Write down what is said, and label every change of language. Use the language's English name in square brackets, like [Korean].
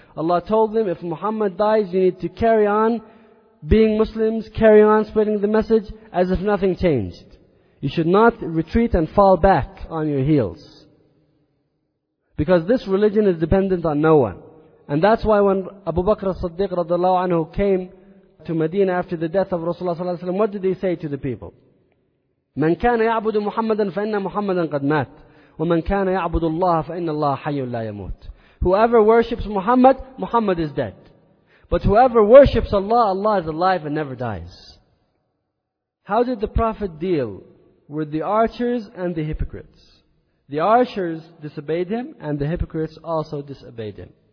[English] Allah told them, if Muhammad dies, you need to carry on being Muslims, carry on spreading the message as if nothing changed. You should not retreat and fall back on your heels. Because this religion is dependent on no one. And that's why when Abu Bakr as-Siddiq radiallahu anhu came to Medina after the death of Rasulullah sallallahu alaihi wasallam, what did they say to the people? [Arabic] من كان يعبد محمدا فإن محمدا قد مات ومن كان يعبد الله فإن الله حي لا يموت. [English] Whoever worships Muhammad, Muhammad is dead. But whoever worships Allah, Allah is alive and never dies. How did the Prophet deal with the archers and the hypocrites? The archers disobeyed him and the hypocrites also disobeyed him.